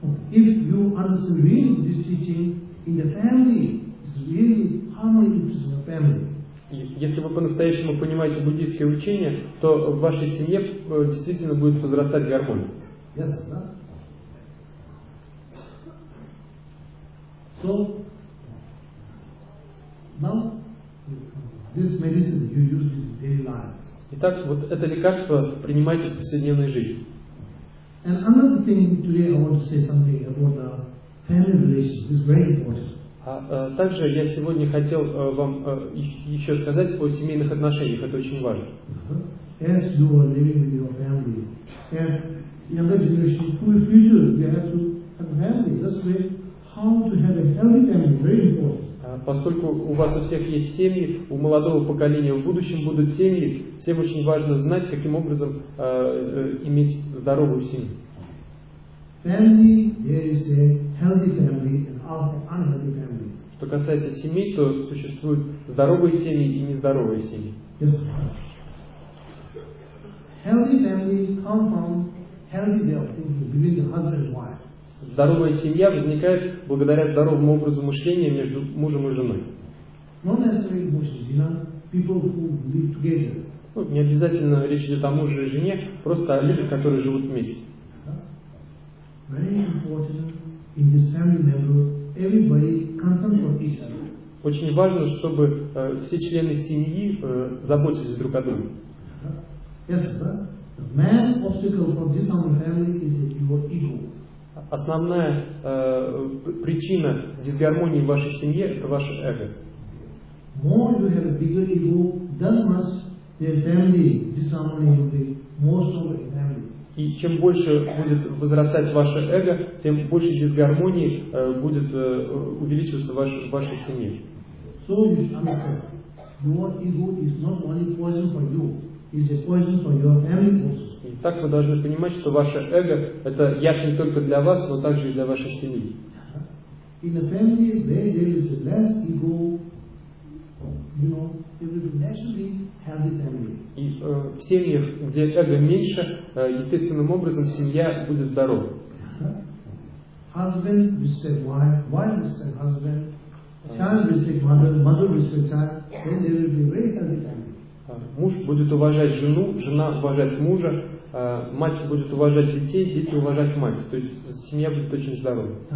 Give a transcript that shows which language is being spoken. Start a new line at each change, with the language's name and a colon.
English: If you understand really this teaching in the family, it's really harmony to the family.
Russian: Если вы по-настоящему понимаете буддийское учение, то в вашей семье действительно будет возрастать гармония. Ясно, да?
English: So now this medicine you use in daily life.
Russian: Итак, вот это лекарство принимайте в повседневной жизни.
English: And another thing today I want to say something about the family relations. This is very important.
Russian: Также я сегодня хотел вам еще сказать о семейных отношениях. Это очень важно.
English: As you are living with your family, as younger generation, for the future, you have to have family. That's great. How to have a healthy family, very important.
Russian: Поскольку у вас у всех есть семьи, у молодого поколения в будущем будут семьи, всем очень важно знать, каким образом иметь здоровую семью.
English: Family, there is a healthy family and unhealthy family.
Russian: Что касается семьи, то существуют здоровые семьи и нездоровые семьи.
English: Yes. Healthy family comes from healthy dealing between the husband and wife.
Russian: Здоровая семья возникает благодаря здоровому образу мышления между мужем и женой.
English: Not necessarily mostly, you know, people who live together.
Russian: Ну, не обязательно речь идет о муже и жене, просто о людях, которые живут вместе. Очень важно, чтобы все члены семьи заботились друг о друге.
English: Yes, the main obstacle for this family is your ego.
Russian: Основная причина дисгармонии в вашей семье – это ваше эго.
English: More you have a bigger ego, that much the family disharmony will be more strong in family.
Russian: И чем больше будет возрастать ваше эго, тем больше дисгармонии будет увеличиваться в вашей семье.
English: So you understand, your ego is not only poison for you, it's a poison for your family also.
Russian: Так вы должны понимать, что ваше эго – это яд не только для вас, но также и для вашей семьи.
English: In a family where there is less ego, you know, there will be naturally healthy family.
Russian: И в семьях, где эго меньше, естественным образом семья будет здорова.
English: Husband respect wife respect husband, child respect mother, mother respect child, then there will be very healthy family.
Russian: Муж будет уважать жену, жена уважать мужа, мать будет уважать детей, дети уважать мать. То есть семья будет очень здоровой.